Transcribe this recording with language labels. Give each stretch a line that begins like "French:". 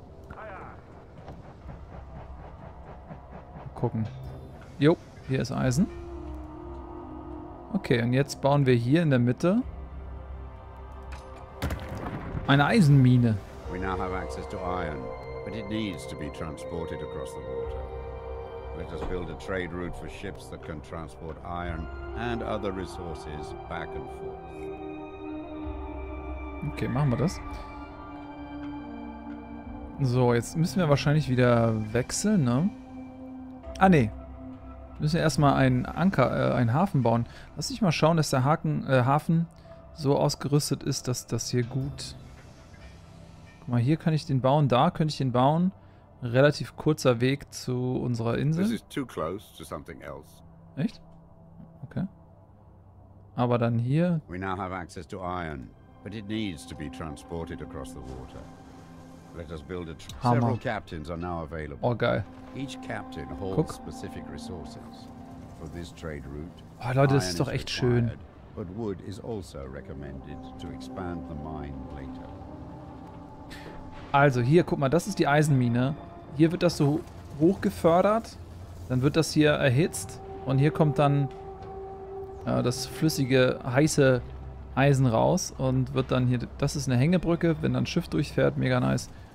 German: Mal gucken. Jo, hier ist Eisen. Okay, und jetzt bauen wir hier in der Mitte eine Eisenmine.
English: We now have access to iron, but it needs to be transported across the water. Let us build a trade route for ships that can transport iron and other resources back and forth.
German: Okay, machen wir das. So, jetzt müssen wir wahrscheinlich wieder wechseln, ne? Ah ne. Müssen wir erstmal einen Hafen bauen. Lass mich mal schauen, dass der Hafen so ausgerüstet ist, dass das hier gut. Guck mal, hier kann ich den bauen, da könnte ich den bauen. Relativ kurzer Weg zu unserer Insel.
English: This is too close to something else.
German: Echt? Okay. Aber dann hier.
English: We now have access to iron, but it needs to be transported across the water. Let us build a Hammer. Several captains are now available.
German: Oh geil.
English: Each captain holds Guck. Specific resources for this trade route.
German: Oh, Leute, iron das ist doch echt schön.
English: But wood is also recommended to expand the mine later.
German: Also hier, guck mal, das ist die Eisenmine. Hier wird das so hoch gefördert. Dann wird das hier erhitzt. Und hier kommt dann das flüssige, heiße Eisen raus. Und wird dann hier, das ist eine Hängebrücke, wenn dann ein Schiff durchfährt, mega nice.